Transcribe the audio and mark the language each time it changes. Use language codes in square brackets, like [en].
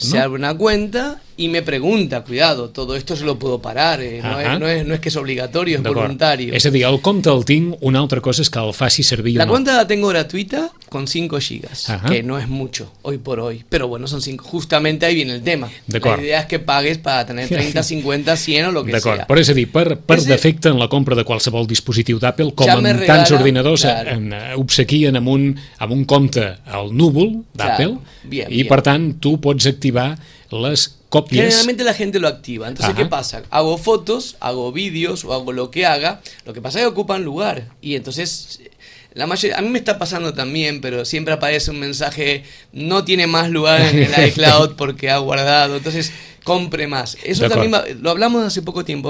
[es] se abre una cuenta y me pregunta, cuidado, todo esto se lo puedo parar, no es que es obligatorio, es voluntario. [ca] És a dir, el compte el tinc, una altra cosa és que el faci servir. [es] La cuenta la tengo gratuita con 5 gigas, que no es mucho hoy por hoy, pero bueno, son 5, justamente ahí viene el tema. [ca] D'acord. [es] La idea es que pagues para tener 30, 50, 100 o lo que [ca] D'acord. [es] Sea. [ca] Però és a dir, per defecte en la compra de qualsevol dispositiu d'Apple, com ja en regala, tants ordinadors, obsequien amb un compte al núvol d'Apple, per tant, tu pots activar les copies. [es] Generalmente la gente lo activa. Entonces, ¿qué pasa? Hago fotos, hago vídeos o hago lo que haga. Lo que pasa es que ocupan lugar. Y entonces, la mayoría, a mí me está pasando también, pero siempre aparece un mensaje: no tiene más lugar en el iCloud porque ha guardado. Entonces, compre más. Eso también lo hablamos hace poco tiempo.